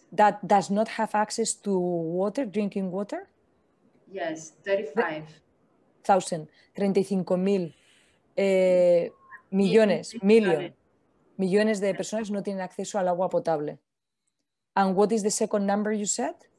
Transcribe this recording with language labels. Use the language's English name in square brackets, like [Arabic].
[English] That does not have access to water, drinking water? Yes, 35,000. [Spanish] 35,000 millones, millones de personas no tienen acceso al agua potable. [English] And what is the second number you said?